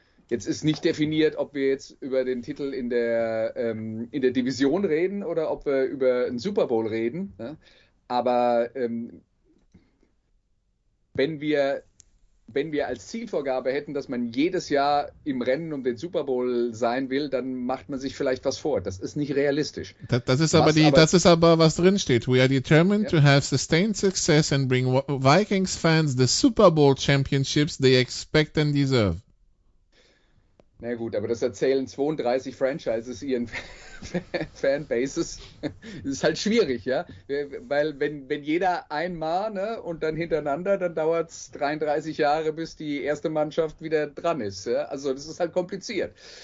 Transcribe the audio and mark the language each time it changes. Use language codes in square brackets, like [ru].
[de] Jetzt ist nicht definiert, ob wir jetzt über den Titel in der Division reden oder ob wir über einen Super Bowl reden. Ne? Aber wenn wir als Zielvorgabe hätten, dass man jedes Jahr im Rennen um den Super Bowl sein will, dann macht man sich vielleicht was vor. Das ist nicht realistisch. Das ist aber, was drinsteht. [en] We are determined to have sustained success and bring Vikings fans the Super Bowl championships they expect and deserve. [de] Na gut, aber das erzählen 32 Franchises ihren Fanbases. Das ist halt schwierig, ja? Weil wenn jeder einmal, ne, und dann hintereinander, dann dauert es 33 Jahre, bis die erste Mannschaft wieder dran ist. Ja? Also das ist halt kompliziert.